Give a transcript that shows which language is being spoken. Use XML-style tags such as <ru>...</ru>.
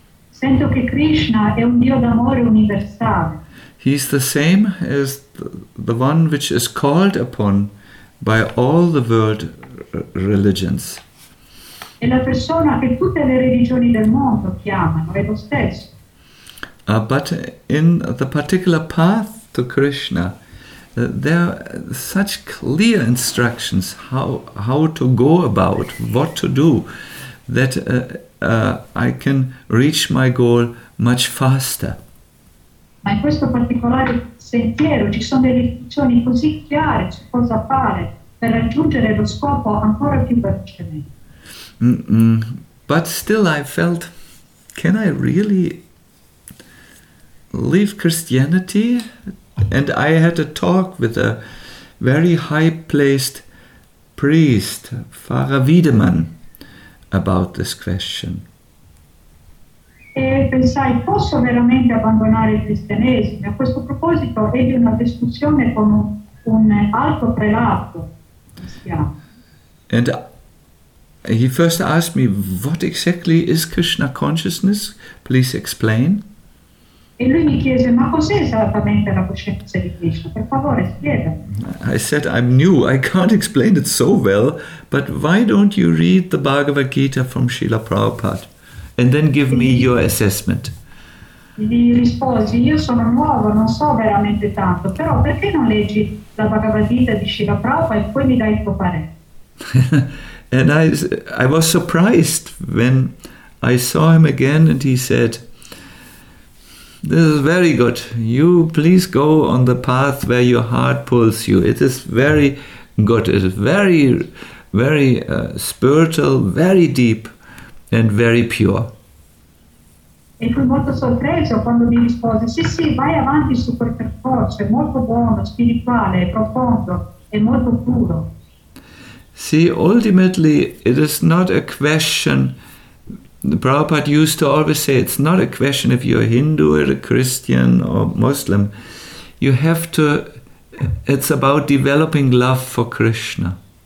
<it>Sento che Krishna è un Dio d'amore universale.</it> <en>He's the same as the one which is called upon by all the world religions.</en> <it>È la persona che tutte le religioni del mondo chiamano, è lo stesso.</it> <en>But in the particular path to Krishna, there are such clear instructions how to go about, what to do, that I can reach my goal much faster.</en> <it>Ma in questo particolare sentiero ci sono delle istruzioni così chiare su cosa fare per raggiungere lo scopo ancora più velocemente.</it> <en>But still I felt, can I really leave Christianity? And I had a talk with a very high-placed priest, Pfarrer Wiedemann, about this question.</en> <it>E pensai, posso veramente abbandonare il cristianesimo? A questo proposito, ebbi una discussione con un alto prelato cristiano.</it> <en>And He first asked me, what exactly is Krishna consciousness? Please explain.</en> <it>E lui mi chiese, ma cos'è esattamente la coscienza di Krishna? Per favore, spiega.</it> <en>I said, I'm new, I can't explain it so well, but why don't you read the Bhagavad Gita from Srila Prabhupada and then give me your assessment?</en> <it>Gli risposi, io sono nuovo, non so veramente tanto, però perché non leggi la Bhagavad Gita di Srila Prabhupada e poi mi dai il tuo parere?</it> <en>And I was surprised when I saw him again and he said, this is very good. You please go on the path where your heart pulls you. It is very good. It is very, very spiritual, very deep and very pure.</en> <it>E fui molto sorpreso quando mi rispose, sì, sì, vai avanti su quel percorso, è molto buono, spirituale, profondo e molto puro.</it> <en>See, ultimately, it is not a question, the Prabhupada used to always say, it's not a question if you're a Hindu or a Christian or Muslim. You have to, it's about developing love for Krishna.</en>